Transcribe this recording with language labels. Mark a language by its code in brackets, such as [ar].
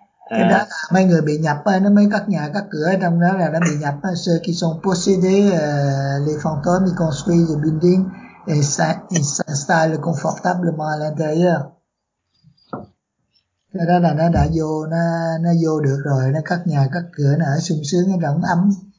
[vi] Đó, mấy người bị nhập nó mới cắt nhà cắt cửa trong đó là nó bị nhập. [fr] Ceux qui sont possédés, les fantômes construisent des buildings et s'installent confortablement à l'intérieur. [vi] Cái đó là nó đã vô, nó vô được rồi, nó cắt nhà cắt cửa, nó ở sung sướng, nó rộng ấm.